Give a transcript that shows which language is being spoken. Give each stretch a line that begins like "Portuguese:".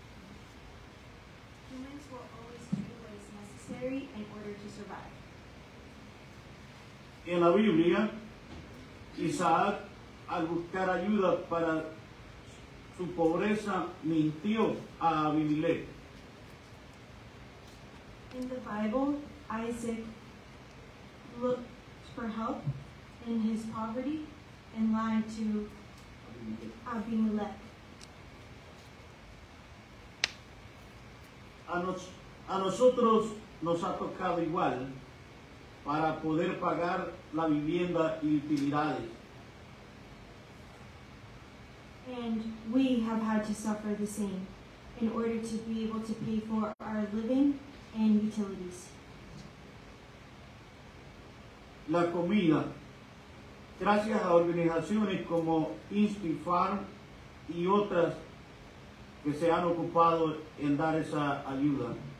English: Humans will always do what is necessary in order to survive.
Spanish: En la Biblia, Isaac, al buscar ayuda para su pobreza, mintió a Abimelech.
English: In the Bible, Isaac looked for help in his poverty and lied to Abimelech.
Spanish: A nosotros nos ha tocado igual para poder pagar la vivienda y utilidades.
English: And we have had to suffer the same in order to be able to pay for our living and utilities.
Spanish: La comida. Gracias a organizaciones como Instifarm y otras que se han ocupado en dar esa ayuda.